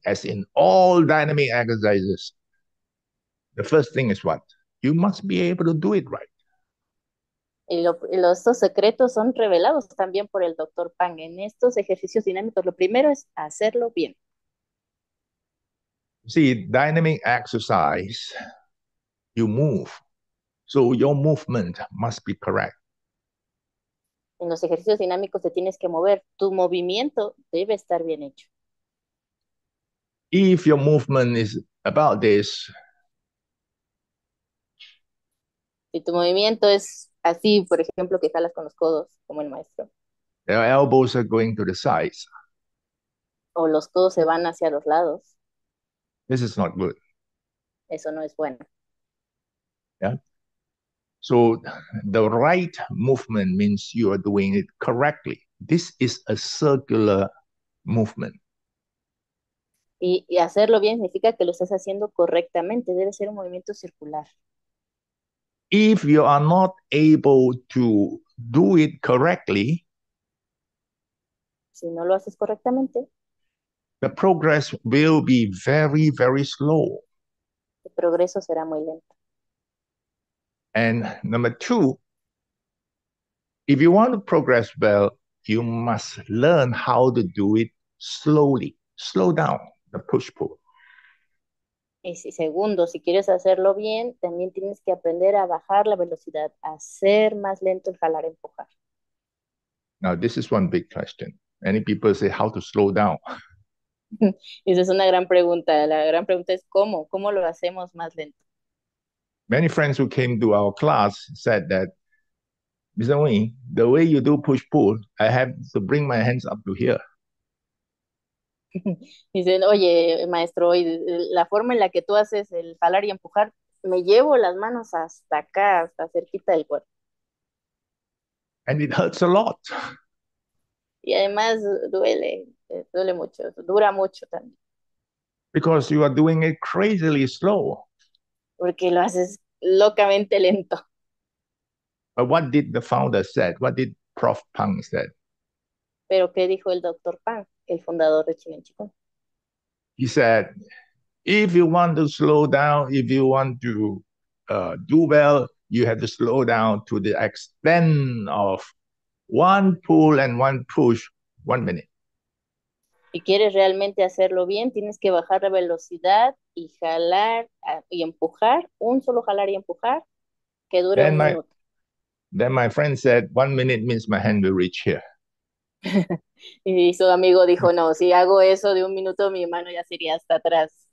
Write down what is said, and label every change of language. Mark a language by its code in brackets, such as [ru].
[en] As in all dynamic exercises, the first thing is what? You must be able to do it right. [es] Los dos secretos son revelados también por el doctor Pang en estos ejercicios dinámicos. Lo primero es hacerlo bien. [en] See, dynamic exercise, you move. So your movement must be correct. [es] En los ejercicios dinámicos te tienes que mover. Tu movimiento debe estar bien hecho. [en] If your movement is about this, [es] Si tu movimiento es así, por ejemplo, que jalas con los codos, como el maestro, [en] your elbows are going to the sides. [es] o los codos se van hacia los lados, [en] This is not good. [es] eso no es bueno. [en] Yeah. So the right movement means you are doing it correctly. This is a circular movement. [es] Y hacerlo bien significa que lo estás haciendo correctamente, debe ser un movimiento circular. [en] If you are not able to do it correctly, [es] Si no lo haces correctamente, [en] the progress will be very, very slow. [es] el progreso será muy lento. [en] And number two, if you want to progress well, you must learn how to do it slowly. Slow down the push-pull. [es] Y si, segundo, si quieres hacerlo bien, también tienes que aprender a bajar la velocidad, a hacer más lento el jalar, empujar. [en] Now, this is one big question. Many people say, how to slow down? [es] Esa es una gran pregunta. La gran pregunta es cómo, ¿cómo lo hacemos más lento? [en] Many friends who came to our class said that, Mr. Wing, the way you do push-pull, I have to bring my hands up to here. [es] Dicen, oye, maestro, la forma en la que tú haces el jalar y empujar, me llevo las manos hasta acá, hasta cerquita del cuerpo. [en] And it hurts a lot. [es] Y además duele. Duele mucho, dura mucho también. [en] Because you are doing it crazily slow. [es] Porque lo haces locamente lento. [en] But what did the founder said? What did Prof. Pang said? [es] Pero, ¿qué dijo el doctor Pang, el fundador de China Chico? [en] He said, if you want to slow down, if you want to do well, you have to slow down to the extent of one pull and one push, 1 minute. [es] Si quieres realmente hacerlo bien, tienes que bajar la velocidad y jalar y empujar, un solo jalar y empujar, que dure [en] Then [es] un minuto. [en] my friend said, 1 minute means my hand will reach here. [es] Y su amigo dijo, no, si hago eso de un minuto, mi mano ya se iría hasta atrás.